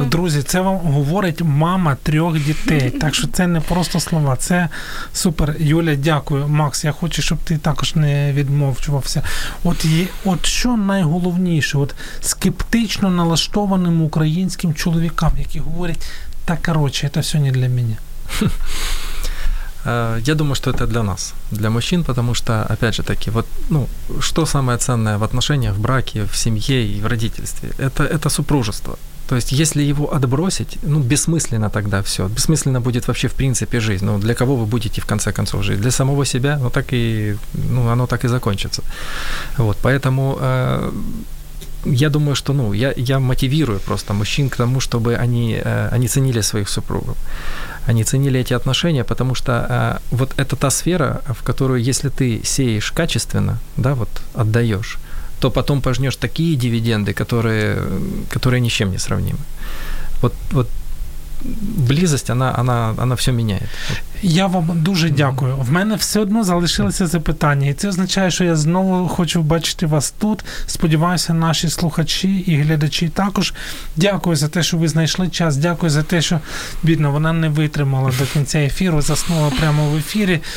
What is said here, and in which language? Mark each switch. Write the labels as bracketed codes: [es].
[uk] Так, друзі, це вам говорить мама трьох дітей. Так що це не просто слова, це супер. Юля, дякую. Макс, я хочу, щоб ти також не відмовчувався. От що найголовніше, от скептично налаштованим українським чоловікам, які говорять, та коротше, це все не для мене. [ru] Я думаю, что это для нас, для мужчин, потому что, опять же таки, вот, ну, что самое ценное в отношениях, в браке, в семье и в родительстве? Это супружество. То есть, если его отбросить, ну, бессмысленно тогда все. Бессмысленно будет вообще в принципе жизнь. Ну, для кого вы будете в конце концов жить? Для самого себя? Ну, так и, ну, оно так и закончится. Вот, поэтому... Я думаю, что, ну, я мотивирую просто мужчин к тому, чтобы они ценили своих супругов, они ценили эти отношения, потому что вот это та сфера, в которую, если ты сеешь качественно, да, вот отдаешь, то потом пожнешь такие дивиденды, которые ни с чем не сравнимы. Вот близость, она все меняет. [uk] Я вам дуже дякую. В мене все одно залишилося запитання, і це означає, що я знову хочу бачити вас тут. Сподіваюся, наші слухачі і глядачі також. Дякую за те, що ви знайшли час. Дякую за те, що, бідно, вона не витримала до кінця ефіру, заснула прямо в ефірі.